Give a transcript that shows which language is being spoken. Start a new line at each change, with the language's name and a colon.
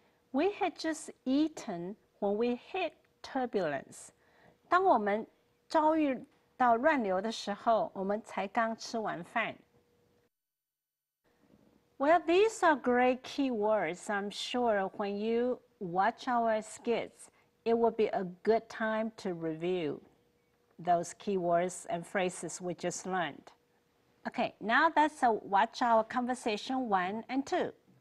English: We had just eaten when we hit turbulence.
Chinese: 当我们遭遇到乱流的时候，我们才刚吃完饭。
English: Well, these are great keywords. I'm sure when you watch our skits, it will be a good time to review those keywords and phrases we just learned. Okay, now let's watch our conversation 1 and 2.